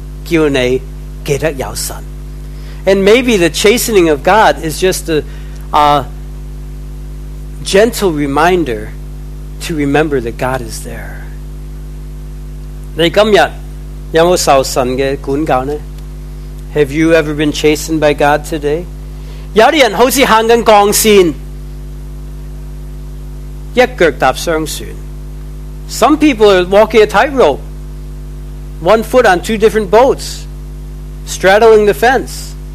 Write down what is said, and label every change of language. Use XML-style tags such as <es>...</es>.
<zh>可能这个管教就是一个温馨的提示，叫你记得有神。</zh> <en>And maybe the chastening of God is just a gentle reminder to remember that God is there.</en> <zh>你今天有没有受神的管教呢？</zh> <en>Have you ever been chastened by God today?</en> <zh>有些人好像在走钢线，一脚踏双船。</zh> <en>Some people are walking a tightrope, one foot on two different boats, straddling the fence.</en>